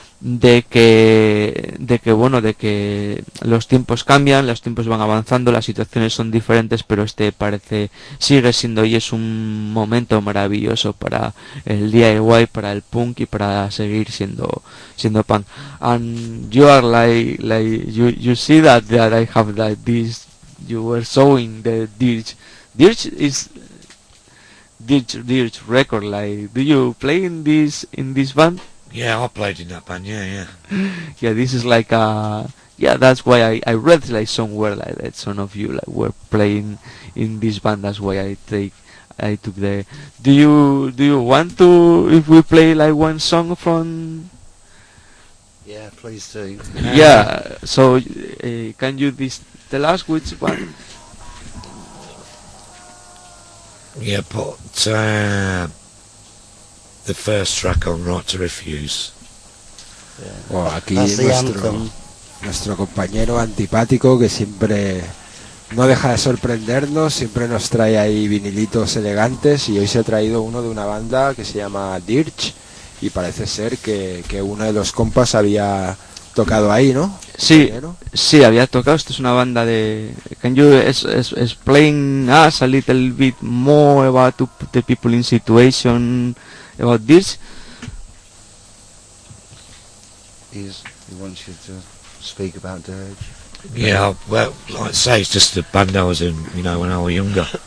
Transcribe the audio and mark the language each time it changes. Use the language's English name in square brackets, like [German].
[Spanish] de que bueno, de que los tiempos cambian, los tiempos van avanzando, las situaciones son diferentes, pero este parece, sigue siendo y es un momento maravilloso para el DIY, para el punk y para seguir siendo punk. [English] And you are like you see that I have that this, you were showing the Dirge record, like, do you play in this band? Yeah, I played in that band, yeah. Yeah, this is like a... Yeah, that's why I read like somewhere like that some of you like were playing in this band, that's why I took the... Do you want to, if we play like one song from... Yeah, please do. Yeah, so can you tell us which one? Yeah, put the first track on Right to Refuse. Yeah. [Spanish] Well, aquí nuestro compañero antipático que siempre no deja de sorprendernos, siempre nos trae ahí vinilitos elegantes y hoy se ha traído uno de una banda que se llama Dirge y parece ser que uno de los compas había tocado ahí, ¿no? Sí, sí, había tocado. Esto es una banda de... [English] Can you explain us a little bit more about the people in situation about this? He wants you to speak about Dirge. Yeah, well, like I say, it's just the band I was in, you know, when I was younger.